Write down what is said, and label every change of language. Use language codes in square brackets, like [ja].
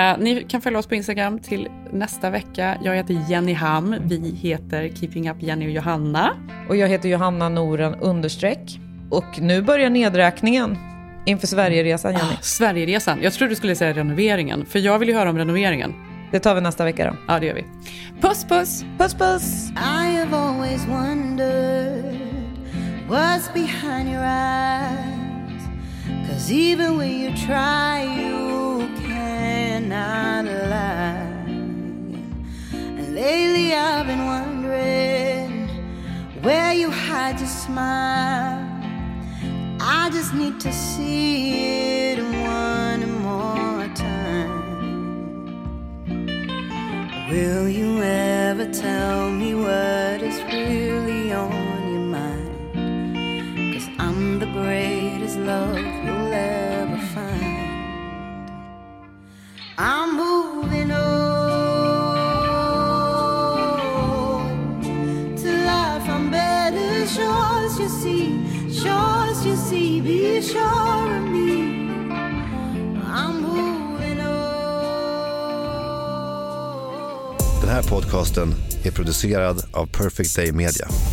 [sv] Ni kan följa oss på Instagram till nästa vecka. Jag heter Jenny Ham. Vi heter Keeping Up Jenny och Johanna. Och jag heter Johanna Noren _. Och nu börjar nedräkningen inför Sverigeresan, Jenny. Sverigeresan. Jag tror du skulle säga renoveringen, för jag vill ju höra om renoveringen. Det tar vi nästa vecka då. Ja, det gör vi. Puss, puss. Puss, puss. [en] I have always wondered what's behind your eyes. 'Cause even when you try, you cannot lie. And lately I've been wondering where you hide your smile. I just need to see it one more time. Will you ever tell me what is really on your mind? 'Cause I'm the greatest love ever find. I'm moving on to life on better shores. You see, shores you see, be sure of me. I'm moving on. [sv] Den här podcasten är producerad av Perfect Day Media.